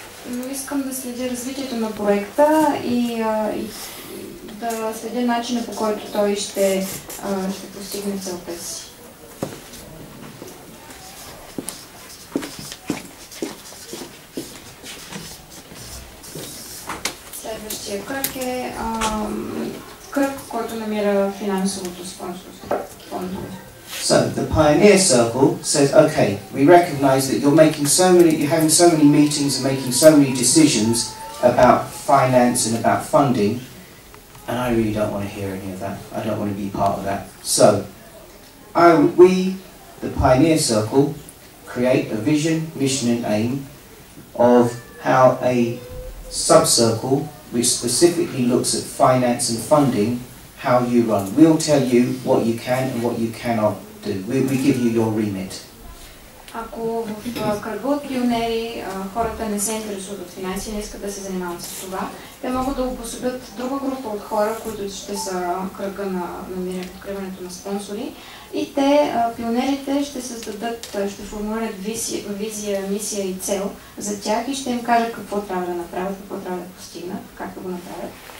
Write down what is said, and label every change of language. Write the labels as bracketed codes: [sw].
[bg] Но искам да следя развитието на проекта и да следя начина, по който той ще постигне целта си. Следващия кръг е кръг, който намира финансовото спонсорство. [en] So the pioneer circle says, okay, we recognize that you're having so many meetings and making so many decisions about finance and about funding, and I really don't want to hear any of that. I don't want to be part of that. So we, the pioneer circle, create a vision, mission and aim of how a sub-circle, which specifically looks at finance and funding, how you run. We'll tell you what you can and what you cannot. We give you your remit. [bg] Ако в кръга от пионери хората не се интересуват от финанси, не искат да се занимават с това, те могат да обособят друга група от хора, които ще са кръга на откриването на спонсори. И те, пионерите, ще формулират визия, мисия и цел за тях и ще им кажат какво трябва да направят, какво трябва да постигнат, как да го направят.